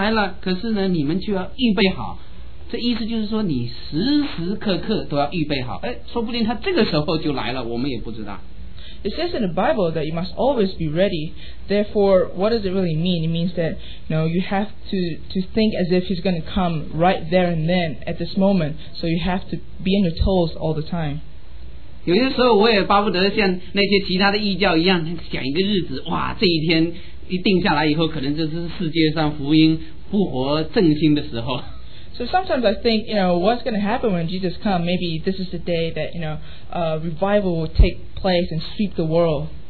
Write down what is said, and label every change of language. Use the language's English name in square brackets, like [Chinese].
[Chinese] 但是在这里头讲到，他说这个日子想不到的时候，人子就要来了，可是呢，你们就要预备好。这意思就是说，你时时刻刻都要预备好。哎，说不定他这个时候就来了，我们也不知道。 [English] It says in the Bible that you must always be ready. Therefore, what does it really mean? It means that, you know, you have to think as if he's going to come right there and then at this moment. So you have to be on your toes all the time. [Chinese] 有些时候我也巴不得像那些其他的异教一样想一个日子，哇，这一天一定下来以后，可能就是世界上福音复活正兴的时候。 [English] So sometimes I think, you know, what's going to happen when Jesus comes? Maybe this is the day that, you know, revival will take place and sweep the world.